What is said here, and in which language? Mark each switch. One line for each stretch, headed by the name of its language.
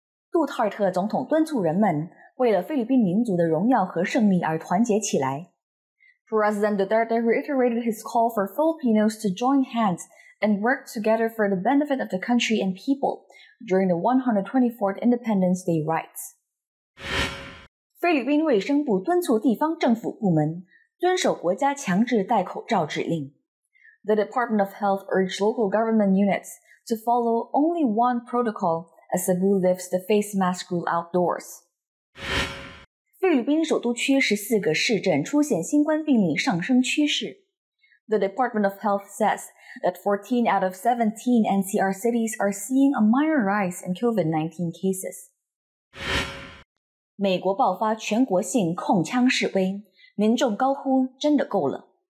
Chinese: 杜特尔特总统敦促人们为了菲律宾民族的荣耀和胜利而团结起来。
English: President Duterte reiterated his call for Filipinos to join hands and work together for the benefit of the country and people during the 124th Independence Day rites.
Chinese: 菲律宾卫生部敦促地方政府部门遵守国家强制戴口罩指令。
English: The Department of Health urged local government units to follow only one protocol as Cebu lifts the face mask rule outdoors.
Chinese: 菲律宾首都区14个市镇出现新冠病例上升趋势。
English: The Department of Health says that 14 out of 17 NCR cities are seeing a minor rise in COVID-19 cases.
Chinese: 美国爆发全国性控枪示威，民众高呼真的够了。